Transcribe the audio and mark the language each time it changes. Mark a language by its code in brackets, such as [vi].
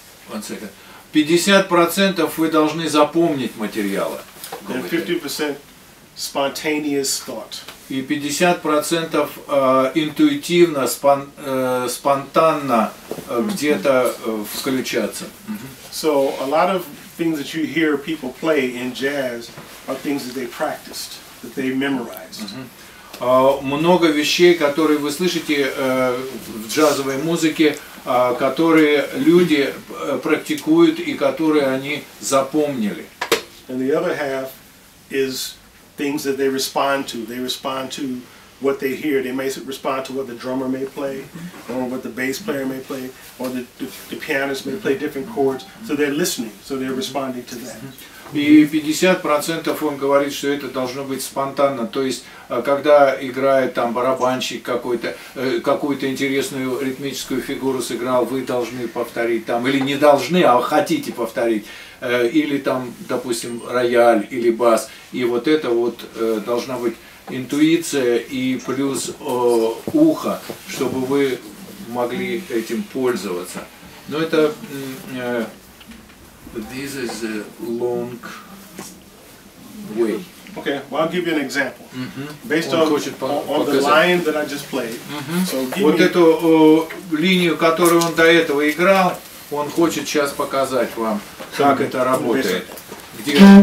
[en] One second. [ru] 50% вы должны запомнить материалы. [en] And 50% spontaneous thought. [ru] И 50% интуитивно, спонтанно где-то включаться. [en] So a lot of things that you hear people play in jazz are things that they practiced, that they memorized. [ru] много вещей, которые вы слышите в джазовой музыке, которые люди практикуют и которые они запомнили. [en] And the other half is things that they respond to. They respond to what they hear. They may respond to what the drummer may play, or what the bass player may play, or the pianist may play different chords. So they're listening, so they're responding to that. [ru] И 50% он говорит, что это должно быть спонтанно. То есть, когда играет там барабанщик какой-то, какую-то интересную ритмическую фигуру сыграл, вы должны повторить там, или не должны, а хотите повторить. Или там, допустим, рояль или бас. И вот это вот должна быть интуиция и плюс ухо, чтобы вы могли этим пользоваться. Но это... [en] But this is a long way. Okay, well, I'll give you an example. Based on the line that I just played. [ru] Вот эту линию, которую он до этого играл, он хочет сейчас показать вам, как это работает. Где?